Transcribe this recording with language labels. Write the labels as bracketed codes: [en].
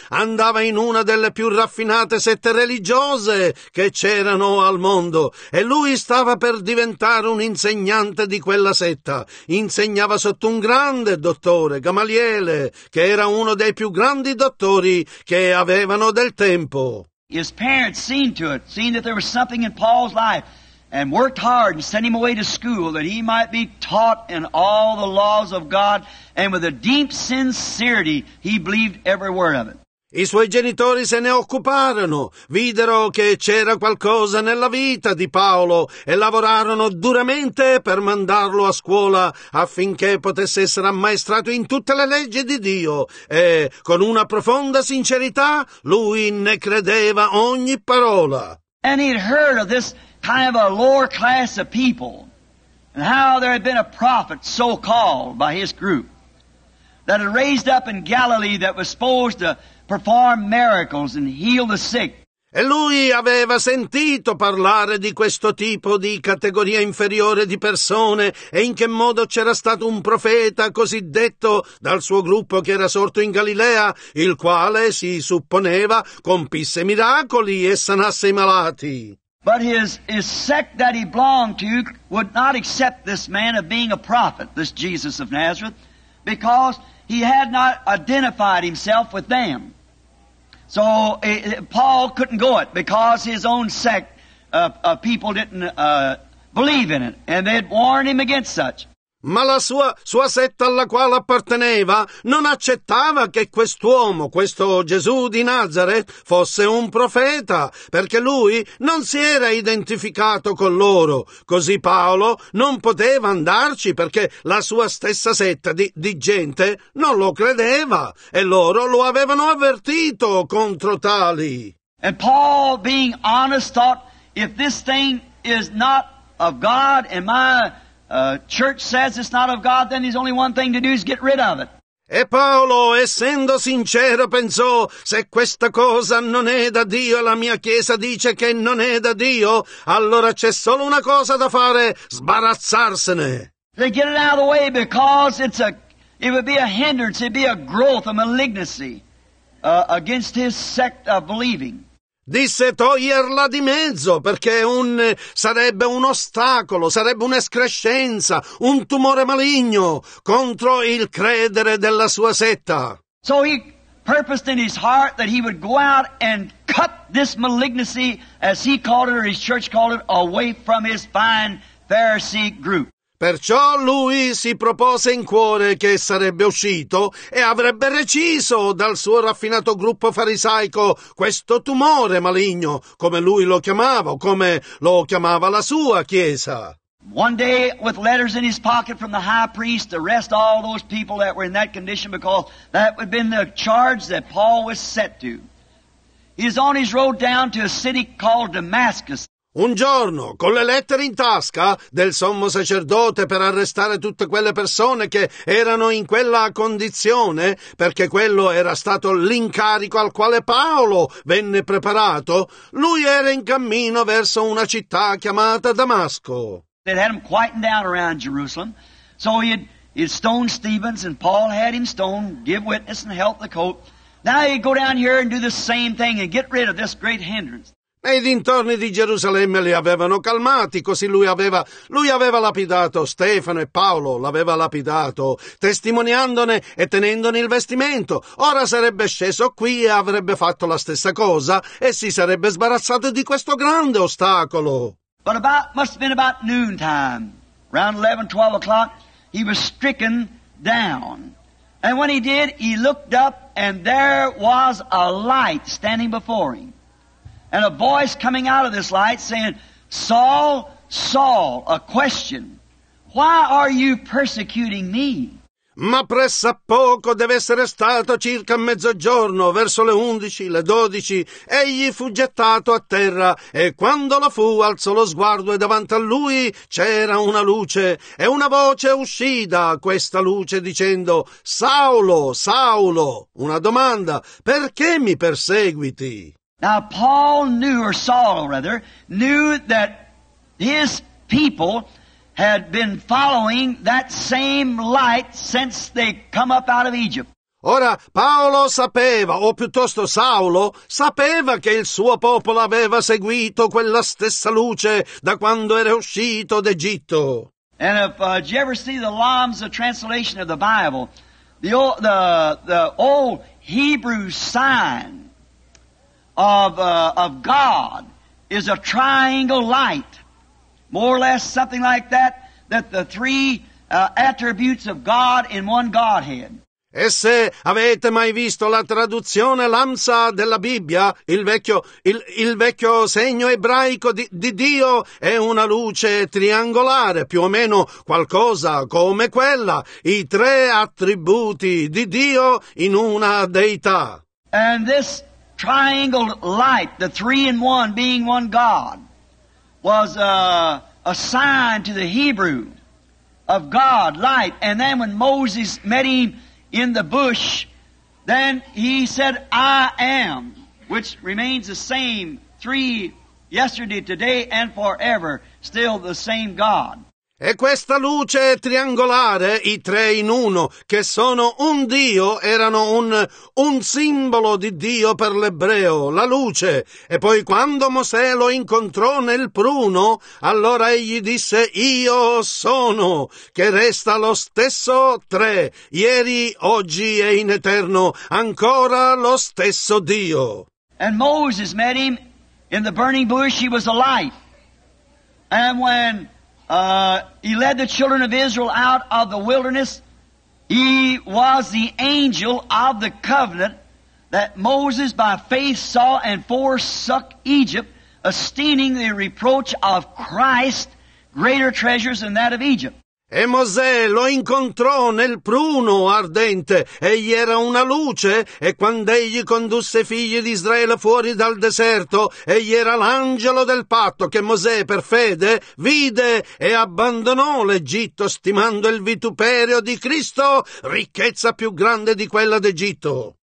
[it] Andava in una delle più raffinate sette religiose che c'erano al mondo. E lui stava per diventare un insegnante di quella setta. Insegnava sotto un grande dottore, Gamaliele, che era uno dei più grandi dottori che avevano del tempo. [en] His parents seen to it, seen that there was something in Paul's life, and worked hard and sent him away to school that he might be taught in all the laws of God, and with a deep sincerity he believed every word of it. [it] I suoi genitori se ne occuparono, videro che c'era qualcosa nella vita di Paolo e lavorarono duramente per mandarlo a scuola affinché potesse essere ammaestrato in tutte le leggi di Dio e con una profonda sincerità lui ne credeva ogni parola. [en] And he'd heard of this kind of a lower class of people and how there had been a prophet so called by his group that had raised up in Galilee that was supposed to perform miracles and heal the sick. [it] E lui aveva sentito parlare di questo tipo di categoria inferiore di persone e in che modo c'era stato un profeta cosiddetto dal suo gruppo che era sorto in Galilea, il quale si supponeva compisse miracoli e sanasse i malati. [en] But his sect that he belonged to would not accept this man of being a prophet, this Jesus of Nazareth, because he had not identified himself with them. So Paul couldn't go it because his own sect of people didn't believe in it. And they'd warned him against such. [it] Ma la sua setta alla quale apparteneva non accettava che quest'uomo, questo Gesù di Nazareth, fosse un profeta, perché lui non si era identificato con loro. Così Paolo non poteva andarci perché la sua stessa setta di gente non lo credeva e loro lo avevano avvertito contro tali. [en] And Paul, being honest, thought, if this thing is not of God, am I... church says it's not of God, then there's only one thing to do is get rid of it. [it] E Paolo, essendo sincero, pensò, se questa cosa non è da Dio e la mia chiesa dice che non è da Dio, allora c'è solo una cosa da fare, sbarazzarsene. [en] They get it out of the way because it would be a hindrance, it'd be a growth, a malignancy against his sect of believing. [it] Disse toglierla di mezzo, perché sarebbe un ostacolo, sarebbe un'escrescenza, un tumore maligno contro il credere della sua setta. [en] So he purposed in his heart that he would go out and cut this malignancy, as he called it or his church called it, away from his fine Pharisee group. [it] Perciò lui si propose in cuore che sarebbe uscito e avrebbe reciso dal suo raffinato gruppo farisaico questo tumore maligno, come lui lo chiamava, come lo chiamava la sua chiesa. [en] One day, with letters in his pocket from the high priest, arrest all those people that were in that condition, because that would have been the charge that Paul was set to. He is on his road down to a city called Damascus. [it] Un giorno, con le lettere in tasca del sommo sacerdote per arrestare tutte quelle persone che erano in quella condizione, perché quello era stato l'incarico al quale Paolo venne preparato, lui era in cammino verso una città chiamata Damasco. [en] They had him quieting down around Jerusalem, so he'd stone Stephen's, and Paul had him stone, give witness and help the coat. Now he'd go down here and do the same thing and get rid of this great hindrance. [it] Nei dintorni di Gerusalemme li avevano calmati, così lui aveva lapidato Stefano e Paolo, l'aveva lapidato, testimoniandone e tenendone il vestimento. Ora sarebbe sceso qui e avrebbe fatto la stessa cosa e si sarebbe sbarazzato di questo grande ostacolo. [en] But must have been about noontime, around 11-12 o'clock, he was stricken down. And when he did, he looked up and there was a light standing before him. And a voice coming out of this light saying, Saul, Saul, a question, why are you persecuting me? [it] Ma pressa poco, deve essere stato circa mezzogiorno, verso le 11, le 12, egli fu gettato a terra, e quando lo fu, alzò lo sguardo, e davanti a lui c'era una luce, e una voce uscì da questa luce dicendo, Saulo, Saulo, una domanda, perché mi perseguiti? [en] Now Paul knew, or Saul rather, knew that his people had been following that same light since they come up out of Egypt. [it] Ora Paolo sapeva, o piuttosto Saulo, sapeva che il suo popolo aveva seguito quella stessa luce da quando era uscito d'Egitto. [en] And if you ever see the Lamb's translation of the Bible, the old Hebrew sign of God is a triangle light. More or less something like that, that the three attributes of God in one Godhead. [it] E se avete mai visto la traduzione Lamsa della Bibbia, il vecchio segno ebraico di Dio è una luce triangolare, più o meno qualcosa come quella, i tre attributi di Dio in una deità. [en] And this triangle light, the three in one being one God, was a sign to the Hebrew of God, light. And then when Moses met him in the bush, then he said, I am, which remains the same three yesterday, today, and forever, still the same God. [it] E questa luce triangolare, i tre in uno, che sono un Dio, erano un simbolo di Dio per l'ebreo, la luce. E poi quando Mosè lo incontrò nel pruno, allora egli disse, io sono, che resta lo stesso tre, ieri, oggi e in eterno, ancora lo stesso Dio. [en] And Moses met him in the burning bush, he was alive. And when he led the children of Israel out of the wilderness. He was the angel of the covenant that Moses by faith saw and forsook Egypt, esteeming the reproach of Christ greater treasures than that of Egypt. [it] E Mosè lo incontrò nel pruno ardente, egli era una luce, e quando egli condusse i figli di Israele fuori dal deserto, egli era l'angelo del patto che Mosè per fede vide e abbandonò l'Egitto, stimando il vituperio di Cristo, ricchezza più grande di quella d'Egitto.